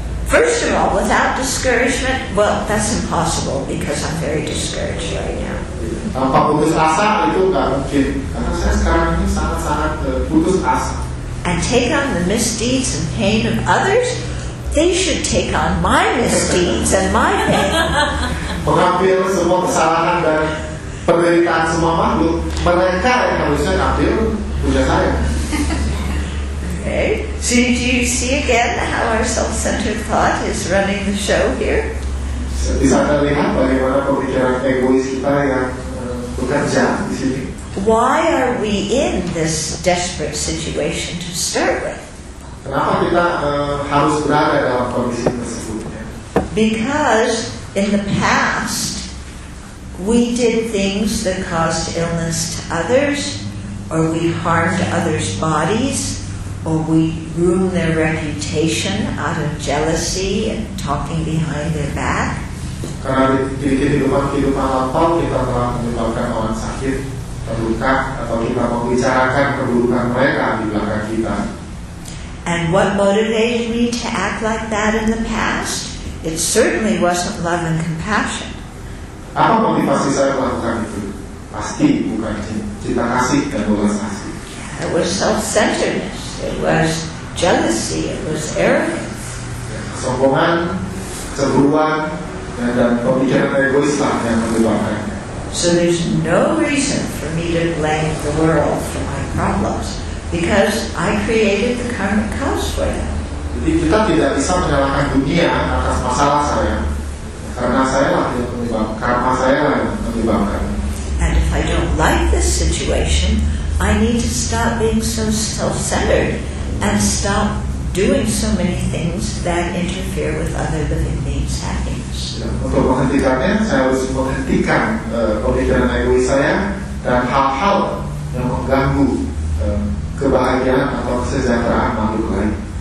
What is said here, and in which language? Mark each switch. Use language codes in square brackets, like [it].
[en] First of all, without discouragement, well, that's impossible because I'm very discouraged right now. [id] Tanpa putus asa itu nggak mungkin. Karena saya sekarang ini sangat-sangat putus asa. [en] And take on the misdeeds and pain of others, they should take on my misdeeds and my pain. [id] Mengambil semua kesalahan dan penderitaan semua makhluk, mereka yang harusnya ngambil punya saya. [en] Okay, so do you see again how our self-centered thought is running the show here? [id] Bisa terlihat bagaimana pemikiran egois kita yang bekerja di sini. [en] Why are we in this desperate situation to start with? [id] Kenapa kita harus berada dalam kondisi tersebut? [en] Because in the past, we did things that caused illness to others, or we harmed others' bodies, or we ruined their reputation out of jealousy and talking behind their back. [id] Karena di kehidupan lampau kita telah menyebabkan orang sakit, terluka, atau kita membicarakan keburukan mereka di belakang kita. [en] And what motivated me to act like that in the past? It certainly wasn't love and compassion. [id] Apa motivasi saya melakukan itu? Pasti bukan cinta kasih dan belas kasih. [en] It was self-centeredness. It was jealousy. It was arrogance. [id] Kesombongan, cemburuan, dan pemikiran egois lah yang menyebabkan. [en] So there's no reason for me to blame the world for my problems because I created the karmic cause for them. [id] Jadi kita tidak bisa menyalahkan dunia atas masalah saya, karena saya lah yang menyebabkan, karma saya lah yang menyebabkan. [en] And if I don't like this situation, I need to stop being so self-centered and stop doing so many things that interfere with other living beings' happiness. [id] Untuk menghentikannya, saya harus menghentikan pemikiran egois saya dan hal-hal yang mengganggu kebahagiaan atau kesejahteraan makhluk lain.